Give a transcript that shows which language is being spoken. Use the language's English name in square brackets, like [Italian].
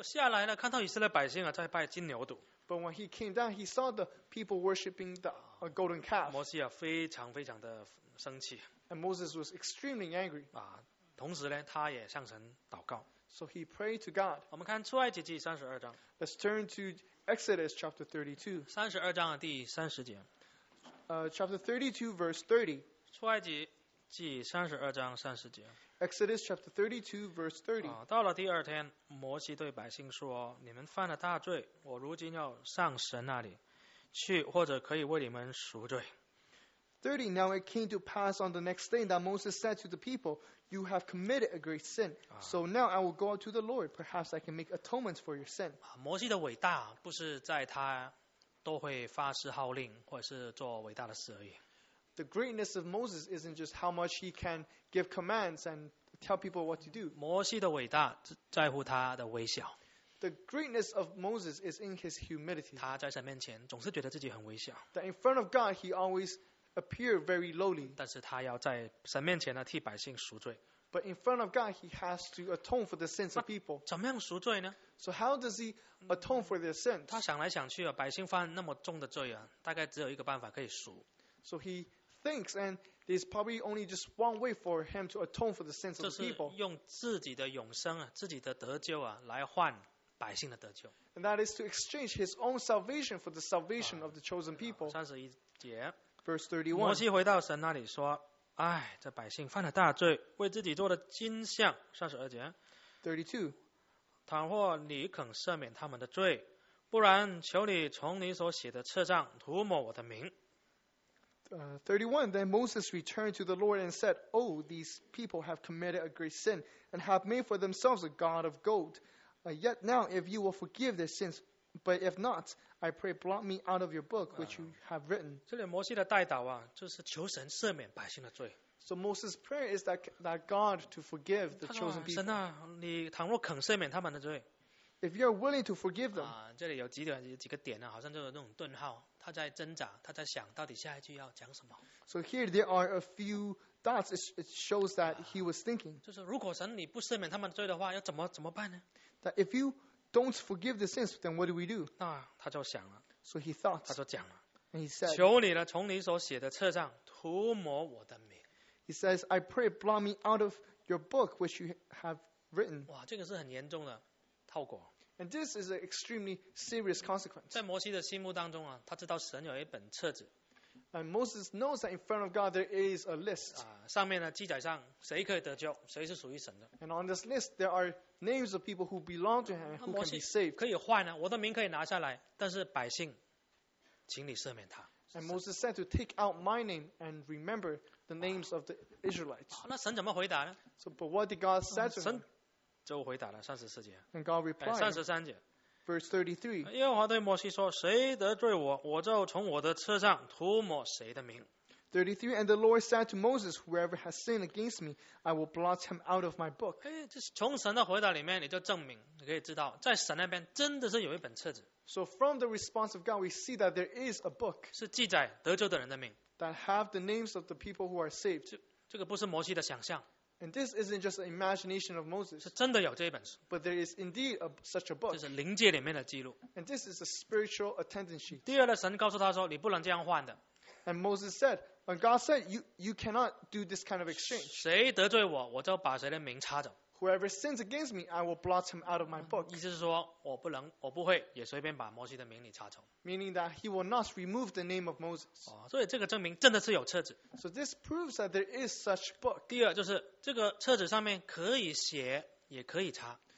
[Chinese] 我下来了，看到以色列百姓在拜金牛犊。 [English] But when he came down, he saw the people worshiping the golden calf. [Chinese] 摩西非常非常的生气。 [English] And Moses was extremely angry. [Chinese] 同时呢，他也向神祷告。 [English] So he prayed to God. [Chinese] 我们看出埃及记三十二章。 [English] Let's turn to Exodus chapter 32. [Chinese] 三十二章的第三十节。 [English] Chapter 32, verse 30. [Chinese] 出埃及记三十二章三十节。 [English] Exodus chapter 32, verse 30. [Chinese] 到了第二天，摩西对百姓说：“你们犯了大罪，我如今要上神那里去，或者可以为你们赎罪。” [English] 30. Now it came to pass on the next day that Moses said to the people, "You have committed a great sin. So now I will go out to the Lord. Perhaps I can make atonement for your sin." [Chinese] 摩西的伟大不是在他都会发誓号令或者是做伟大的事而已。 [English] the greatness of Moses isn't just how much he can give commands and tell people what to do. [Chinese] 摩西的伟大在乎他的微小。 [English] The greatness of Moses is in his humility. [Chinese] 他在神面前总是觉得自己很微小。 [English] That in front of God, he always appeared very lowly. [Chinese] 但是他要在神面前呢替百姓赎罪。 [English] But in front of God, he has to atone for the sins of people. [Chinese] 怎么样赎罪呢？ [English] So how does he atone for their sins? [Chinese] 他想来想去啊，百姓犯那么重的罪啊，大概只有一个办法可以赎。 [English] So he thinks, and there's probably only just one way for him to atone for the sins of the people. [Chinese] 就是用自己的永生啊，自己的得救啊，来换百姓的得救。 [English] And that is to exchange his own salvation for the salvation of the chosen people. [Chinese] 三十一节 [English] ，Verse 31. [Chinese] 摩西回到神那里说。哎，这百姓犯了大罪，为自己做的金像。 32节。 [English] 32. [Chinese] 倘若你肯赦免他们的罪，不然求你从你所写的册上涂抹我的名。 [English] 31. Then Moses returned to the Lord and said, Oh, these people have committed a great sin and have made for themselves a god of gold. Yet now, if you will forgive their sins, but if not, I pray, blot me out of your book, which you have written. [Chinese] 这里摩西的代祷啊，就是求神赦免百姓的罪。 [English] So Moses' prayer is that God to forgive the chosen people. [Chinese] 神啊，你倘若肯赦免他们的罪。 [English] If you are willing to forgive them. [Chinese] 这里有几个点啊，好像就有那种顿号，他在挣扎，他在想到底下一句要讲什么。 [English] So here there are a few dots. It shows that he was thinking. [Chinese] 就是如果神你不赦免他们的罪的话，要怎么办呢？ [English] That if you don't forgive the sins, then what do we do? [Chinese] 那他就想了。 [English] So he thought. [Chinese] 他就讲了。 [English] And he said, [Chinese] 求你呢，从你所写的册上涂抹我的名。 [English] He says, I pray, blot me out of your book, which you have written. [Chinese] 哇，这个是很严重的后果。 [English] And this is an extremely serious consequence. [Chinese] 在摩西的心目当中啊，他知道神有一本册子。 [English] And Moses knows that in front of God there is a list. [Chinese] 上面呢记载上谁可以得救，谁是属于神的。 [English] And on this list there are names of people who belong to him who can be saved. [Chinese] 可以换呢，我的名可以拿下来，但是百姓，请你赦免他。 [English] And Moses said to take out my name and remember the names of the Israelites. [Chinese] 那神怎么回答呢？ [English] So but what did God say to him? [Chinese] 神就回答了34节。 [English] And God replied. [Chinese] 33节。 [English] Verse 33. [Chinese] 耶和华对摩西说：“谁得罪我，我就从我的册上涂抹谁的名。” [English] 33. And the Lord said to Moses, "Whoever has sinned against me, I will blot him out of my book." [Chinese] 哎，这是从神的回答里面，你就证明，你可以知道，在神那边真的是有一本册子。 [English] So from the response of God, we see that there is a book. [Chinese] 是记载得救的人的名。 [English] That have the names of the people who are saved. [Chinese] 这个不是摩西的想象。 [English] And this isn't just an imagination of Moses. [Chinese] 是真的有这一本书。 [English] But there is indeed such a book. [Chinese] 这是灵界里面的记录。 [English] And this is a spiritual attendance sheet. [Chinese] 第二呢，神告诉他说，你不能这样换的。 [English] And Moses said, when God said, you cannot do this kind of exchange. [Chinese] 谁得罪我，我就把谁的名擦走。 [English] Whoever sins against me, I will blot him out of my book. [Chinese] 意思是说，我不会也随便把摩西的名你擦走。 [English] Meaning that he will not remove the name of Moses. [Chinese] 所以这个证明真的是有册子。 [English] So this proves that there is such book. [Chinese] 第二就是这个册子上面可以写也可以擦。